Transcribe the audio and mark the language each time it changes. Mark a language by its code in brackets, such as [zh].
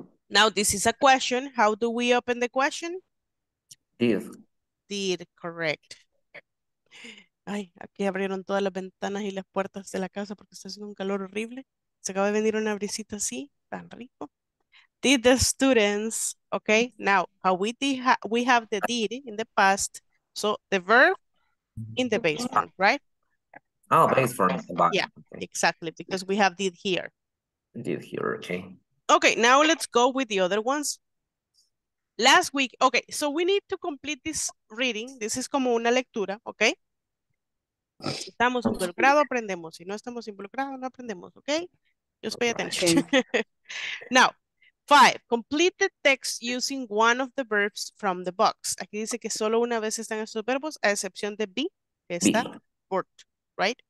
[en] Now, this is a question. How do we open the question? Did. Correct. [es] Ay, aquí abrieron todas las ventanas y las puertas de la casa porque está haciendo un calor horrible. Se acaba de venir una brisita así, tan rico. [en] Did the students, okay? Now, how we did we have the did in the past, so the verb in the base form, right? Oh, base form. Yeah, exactly, because we have did here. Did here, okay. Okay, now let's go with the other ones. Last week, okay, so we need to complete this reading. This is [es] como una lectura, okay? Si estamos involucrados, aprendemos. Si no estamos involucrados, no aprendemos, okay? [en] Just pay attention. [es] Okay. [en] Now, five, complete the text using one of the verbs from the box. [es] Aquí dice que solo una vez están estos verbos, a excepción de be, que está, worked, right?